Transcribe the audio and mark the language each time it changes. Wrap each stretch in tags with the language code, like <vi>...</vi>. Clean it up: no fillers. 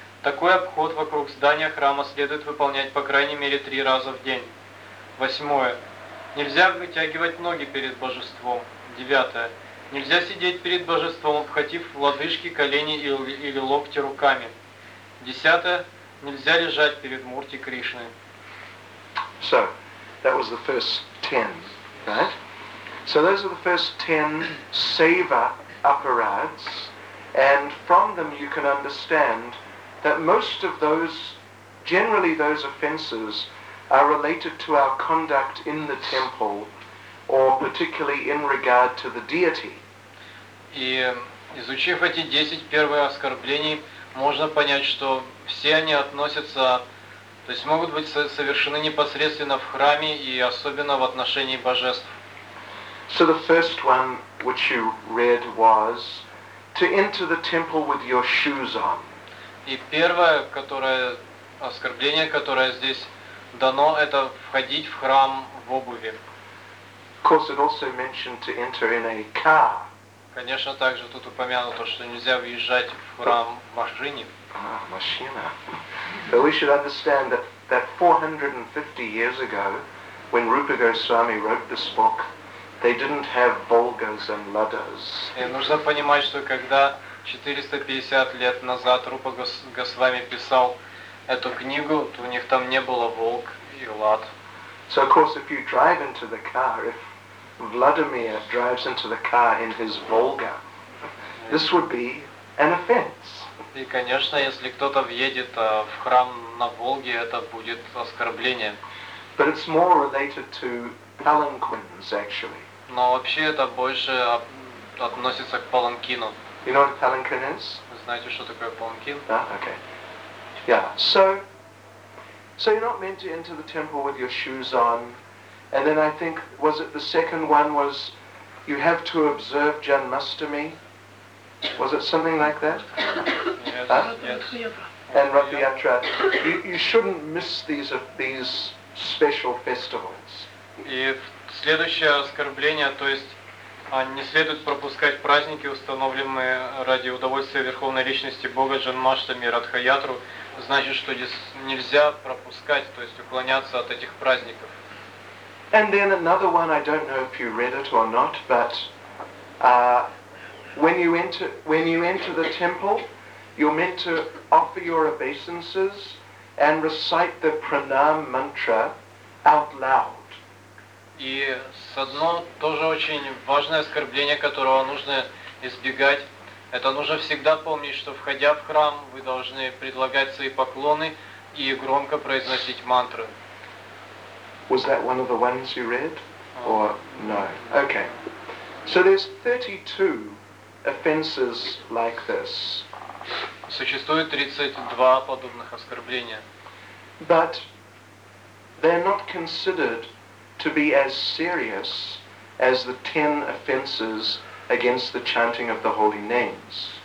<ru>Такой обход вокруг здания храма следует выполнять по крайней мере 3 раза в день. Восьмое. Нельзя вытягивать ноги перед божеством. Девятое. Нельзя сидеть перед божеством, обхватив лодыжки, колени или локти руками. Десятое. Нельзя лежать перед Мурти Кришной.</ru> <en>So, that was the first 10, right? So those are the first 10 seva aparads, and from them you can understand that most of those, generally those offenses, are related to our conduct in the temple, or particularly in regard to the deity.</en> <ru>И изучив эти 10 первых оскорблений, можно понять, что все они относятся, то есть могут быть совершены непосредственно в храме и особенно в отношении божеств.</ru> <en>So the first one which you read was to enter the temple with your shoes on.</en> <ru>И первое, которое оскорбление, которое здесь дано, это входить в храм в обуви.</ru> <en>Of course, it also mentioned to enter in a car.</en> <ru>Конечно, также тут упомянуто, что нельзя въезжать в храм в машине. Машина.</ru> <en>But we should understand that 450 years ago, when Rupa Goswami wrote this book, they didn't have Volgas and Ladas.</en> <ru>И нужно понимать, что когда 450 лет назад Рупа Госвами писал эту книгу, то у них там не было Волг и Лад.</ru> <en>So of course, if you drive into the car, if Vladimir drives into the car in his Volga, this would be an offense.</en> <ru>И, конечно, если кто-то въедет в храм на Волге, это будет оскорбление.</ru> <en>But it's more related to palanquins, actually.</en> <ru>Но вообще это больше относится к паланкину.</ru> <en>You know what a palanquin is?</en> <ru>Вы знаете, что такое паланкин? Да,</ru> <en>okay. Yeah. So you're not meant to enter the temple with your shoes on. And then I think, was it the second one was, you have to observe Janmashtami? Was it something like that? Yes. And Rathyatra. You shouldn't miss these special festivals.</en> <ru>И следующее оскорбление, то есть не следует пропускать праздники, установленные ради удовольствия Верховной Личности Бога Джанмаштами и Радхаятру, значит, что нельзя пропускать, то есть уклоняться от этих праздников.</ru> <en>And then another one, I don't know if you read it or not, but when you enter the temple, you're meant to offer your obeisances and recite the pranam mantra out loud.</en> <ru>И одно тоже очень важное оскорбление, которого нужно избегать, это нужно всегда помнить, что входя в храм, вы должны предлагать свои поклоны и громко произносить мантры.</ru> <en>Was that one of the ones you read? Or no? Okay. So there's 32 offenses like this.</en> <ru>Существует 32 подобных оскорбления.</ru> <en>But they're not considered to be as serious as the 10 offenses against the chanting of the holy names.</en>